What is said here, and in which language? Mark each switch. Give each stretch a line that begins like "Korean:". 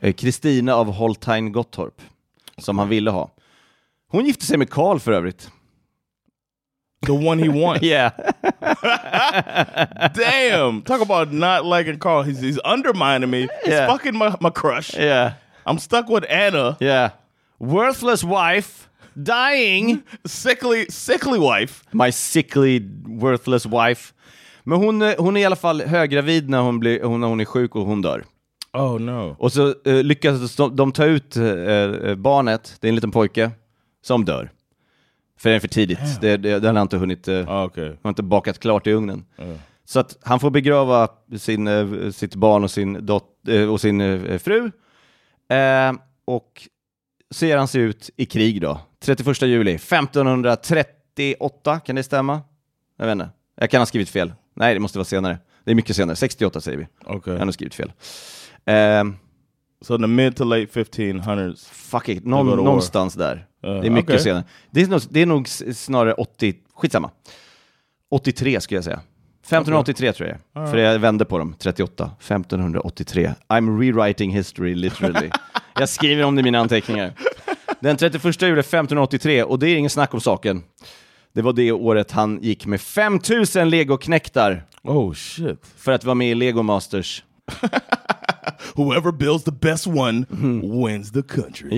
Swedish: Kristina av Holstein-Gottorp. Som han ville ha. Hon gifte sig med Karl för övrigt.
English: The one he wants. Yeah. Damn. Talk about not liking Karl. He's undermining me. Yeah. He's fucking my crush. Yeah. I'm stuck with Anna. Yeah. Worthless wife, dying. Sickly wife. My sickly, worthless wife.
Swedish: Men hon är i alla fall höggravid när hon är sjuk och hon dör.
English: Oh no.
Swedish: Och så lyckas de ta ut barnet. Det är en liten pojke som dör. För det är för tidigt. Det har han inte hunnit.
English: Okay.
Swedish: Han har inte bakat klart i ugnen. Så att han får begrava sitt barn och sin fru. Och ser han sig ut i krig då. 31 juli 1538. Kan det stämma? Jag vet inte. Jag kan ha skrivit fel. Nej, det måste vara senare. Det är mycket senare. 68 säger vi.
English: Okay.
Swedish: Jag har skrivit fel.
English: So in the mid to late 1500s. Fuck it.
Swedish: Någonstans där. Det är mycket senare. Det är nog snarare 80. Skitsamma. 83 skulle jag säga. 1583 tror jag. Right. För jag vände på dem. 38. 1583.
English: I'm rewriting history literally.
Swedish: Jag skriver om det i mina anteckningar. Den 31 juli 1583, och det är ingen snack om saken. Det var det året han gick med 5000 Lego-knäktar.
English: Oh shit.
Swedish: För att vara med i Lego Masters.
English: Whoever builds the best one wins the country.